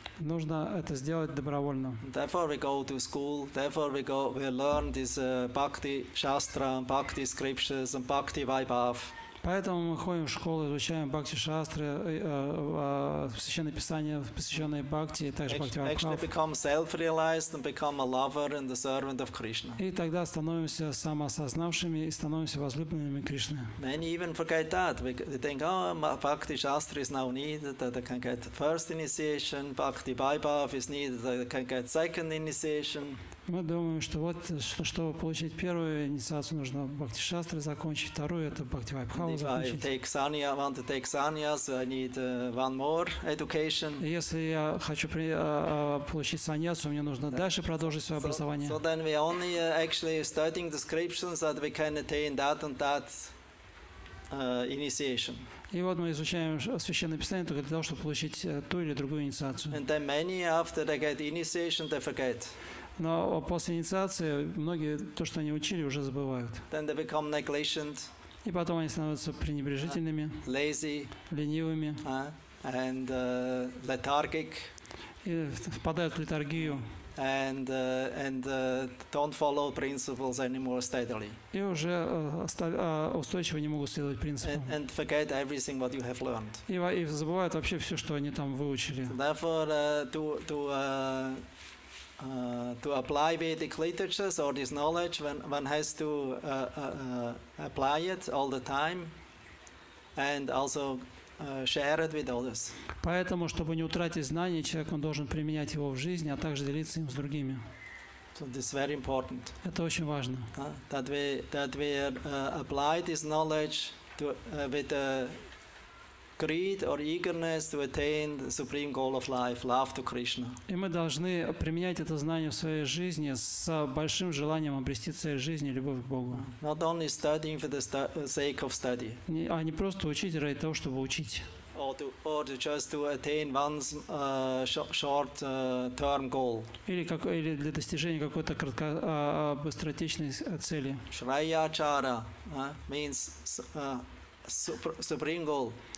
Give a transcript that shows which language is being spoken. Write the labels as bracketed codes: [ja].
[ru] Нужно это сделать добровольно. [en] Therefore we go to school. Therefore we go. We learn this bhakti shastra, bhakti scriptures, and bhakti vaibhav. [ru] Поэтому мы ходим в школу, изучаем бхакти шастры, священные писания, посвященные бхакти, и также бхакти вайбхав. [en] Actually become self-realized and become a lover and the servant of Krishna. [ru] И тогда становимся самоосознавшими и становимся возлюбленными Кришны. [en] Many even forget that. They think, oh, bhakti shastra is now needed, that I can get first initiation. Bhakti vaibhav is needed, that I can get second initiation. [ru] Мы думаем, что вот, чтобы получить первую инициацию, нужно бхакти шастры закончить, вторую — это бхакти вайбхава закончить. [en] If I take sannyas, want to take sannyas, I need one more education. [ru] Если я хочу получить саньясу, мне нужно дальше продолжить свое образование. [en] So then we only actually studying the scriptures that we can attain that and that initiation. [ru] И вот мы изучаем Священное Писание только для того, чтобы получить ту или другую инициацию. [en] And then many after they get initiation, they forget. [ru] Но после инициации многие то, что они учили, уже забывают. [en] Then they become negligent. [ru] И потом они становятся пренебрежительными, [en] lazy, [ru] ленивыми, [en] and lethargic. [ru] И впадают в летаргию. [en] And don't follow principles anymore steadily. [ru] И уже устойчиво не могут следовать принципам. [en] And forget everything what you have learned. [ru] И забывают вообще все, что они там выучили. [en] Therefore, to apply Vedic literatures or this knowledge, one has to apply it all the time, and also share it with others. [ru] Поэтому, чтобы не утратить знания, человек он должен применять его в жизни, а также делиться им с другими. [en] So this is very important. [ru] Это очень важно. [en] That we apply this knowledge to with the greed or eagerness to attain the supreme goal of life, love to Krishna. [ru] И мы должны применять это знание в своей жизни с большим желанием обрести цель жизни, любовь к Богу. [en] Not only studying for the sake of study. [ru] А не просто учить ради того, чтобы учить. [en] Or to just to attain one's short term goal. [ru] Или для достижения какой-то краткосрочной цели. [en] Shraya Chara means supreme goal.